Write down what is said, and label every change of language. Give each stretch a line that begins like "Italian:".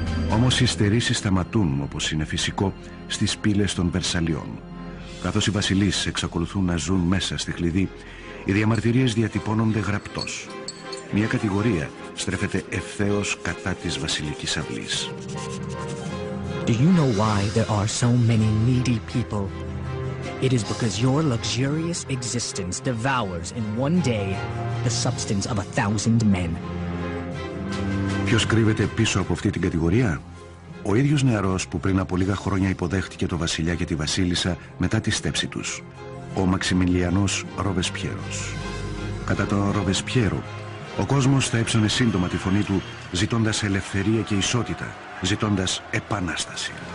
Greek: Όμως οι στερήσεις σταματούν, όπως είναι φυσικό, στις πύλες των Βερσαλιών. Καθώς οι βασιλείς εξακολουθούν να ζουν μέσα στη χλυδή, οι διαμαρτυρίες διατυπώνονται γραπτός. Μια κατηγορία στρέφεται ευθέως κατά της βασιλικής αυλής.
English: Do you know why there are so many needy people? It is because your luxurious existence devours in one day the substance of 1,000 men.
Greek: Ποιος κρύβεται πίσω από αυτή την κατηγορία? Ο ίδιος νεαρός που πριν από λίγα χρόνια υποδέχτηκε το βασιλιά και τη βασίλισσα μετά τη στέψη τους. Ο Μαξιμιλιανός Ρόβεσπιέρος. Κατά τον Ρόβεσπιέρο, ο κόσμος θα έψωνε σύντομα τη φωνή του, ζητώντας ελευθερία και ισότητα, ζητώντας επανάσταση.